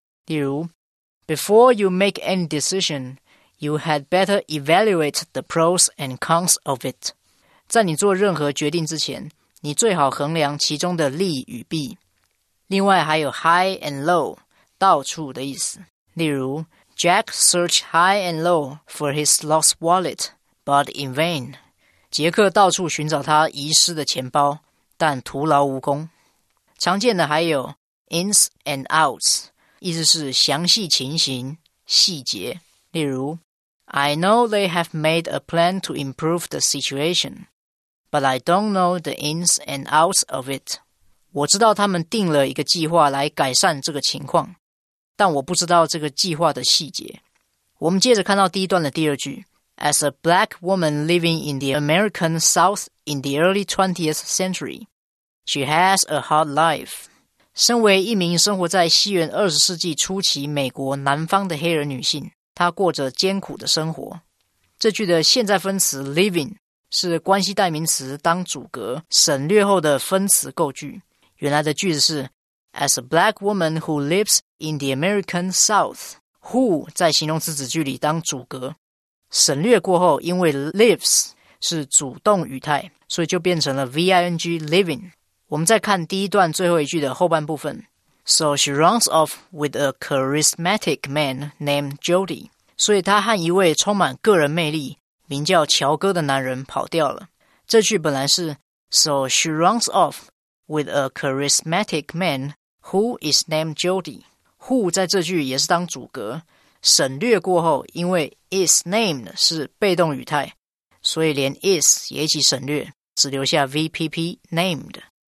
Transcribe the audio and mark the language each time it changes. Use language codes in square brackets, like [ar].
[zh] 例如 [en] before you make any decisionYou had better evaluate the pros and cons of it. [zh] 在你做任何决定之前，你最好衡量其中的利与弊。另外还有 high and low， 到处的意思。例如 [en] ，Jack searched high and low for his lost wallet, but in vain. [zh] 杰克到处寻找他遗失的钱包，但徒劳无功。常见的还有 ins and outs， 意思是详细情形、细节。例如 [en] I know they have made a plan to improve the situation, but I don't know the ins and outs of it. [zh] 我知道他们定了一个计划来改善这个情况，但我不知道这个计划的细节。我们接着看到第一段的第二句， [en] As a black woman living in the American South in the early 20th century, she has a hard life. [zh] 身为一名生活在西元20世纪初期美国南方的黑人女性，他过着艰苦的生活。这句的现在分词 living 是关系代名词当主格省略后的分词构句。原来的句子是 [en] As a black woman who lives in the American South， [zh] who 在形容词子句里当主格，省略过后，因为 lives 是主动语态，所以就变成了 ving living。我们再看第一段最后一句的后半部分， [en] So she runs off with a charismatic man named Jody. [zh] 所以她和一位充满个人魅力名叫乔哥的男人跑掉了。这句本来是 [en] So she runs off with a charismatic man who is named Jody. [zh] Who 在这句也是当主格，省略过后，因为 is named 是被动语态，所以连 is 也一起省略，只留下 VPP named。